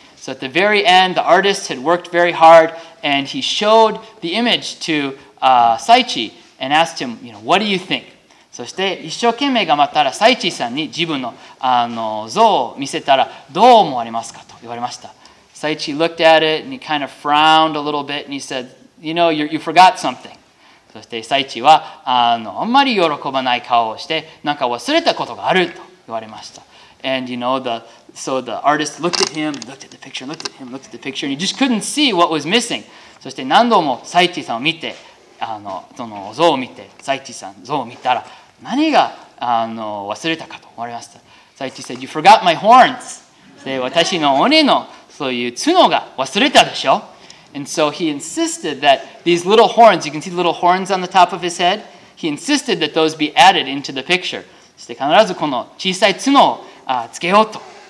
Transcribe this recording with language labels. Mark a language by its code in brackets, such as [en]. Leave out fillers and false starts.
[en] So at the very end, the artist had worked very hard and he showed the image to Saichi and asked him, you know, what do you think? [ja] そして一生懸命頑張ったら Saichi さんに自分の、像を見せたらどう思われますかと言われました。 [en] Saichi looked at it and he kind of frowned a little bit and he said, you know, you forgot something. [ja] そして Saichi は あんまり喜ばない顔をしてなんか忘れたことがあると言われました。 [en] And you know, So the artist looked at him, looked at the picture, looked at him, looked at the picture, and he just couldn't see what was missing. [ja] そして何度もサイチさんを見て、その像を見て、サイチさん像を見たら、何が忘れたかと思われました。 [en] サイチ said, you forgot my horns. [ja] で、私の鬼のそういう角が忘れたでしょ。 [en] And so he insisted that these little horns, you can see the little horns on the top of his head, he insisted that those be added into the picture. [ja] そして必ずこの小さい角をつけようと。